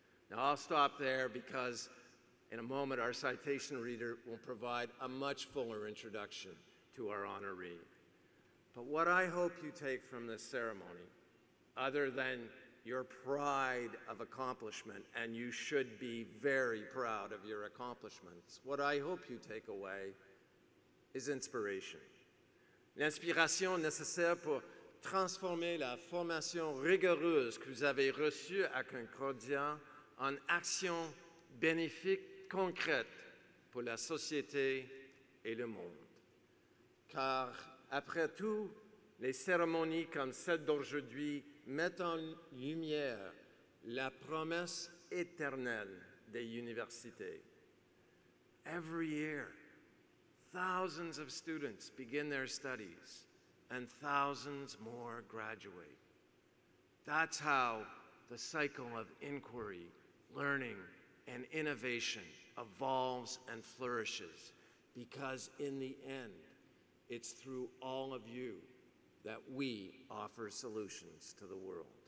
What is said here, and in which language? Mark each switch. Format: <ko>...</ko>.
<en>Now I'll stop there because in a moment our citation reader will provide a much fuller introduction to our honoree. But what I hope you take from this ceremony, other than your pride of accomplishment, and you should be very proud of your accomplishments, what I hope you take away is inspiration.</en> <fr>L'inspiration nécessaire pour transformer la formation rigoureuse que vous avez reçue à Concordia en action bénéfique concrète pour la société et le monde. Car après tout, les cérémonies comme celle d'aujourd'hui mettent en lumière la promesse éternelle des universités.</fr> <en>Every year, thousands of students begin their studies, and thousands more graduate. That's how the cycle of inquiry, learning, and innovation evolves and flourishes, because in the end, it's through all of you that we offer solutions to the world.</en>